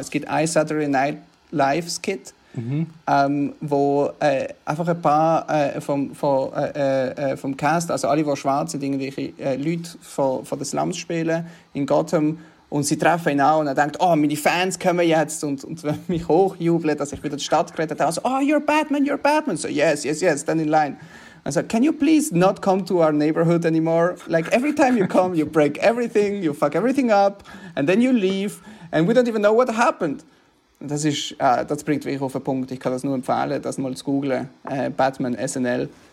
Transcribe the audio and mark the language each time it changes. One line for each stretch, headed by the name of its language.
German: Es gibt ein Saturday Night Live Skit, wo einfach ein paar vom Cast, also alle, die schwarz sind, irgendwelche Leute von den Slums spielen in Gotham, und sie treffen ihn an und er denkt, oh, meine Fans kommen jetzt und mich hochjubeln, dass ich wieder die Stadt gerettet habe.
English: Also, oh, you're Batman. So, yes, dann in line.
German: Und so,
English: can you please not come to our neighborhood anymore? Like, every time you come, you break everything, you fuck everything up, and then you leave. And we don't even know what happened.
German: Das ist, das bringt mich auf den Punkt. Ich kann das nur empfehlen, das mal zu googlen. Batman SNL.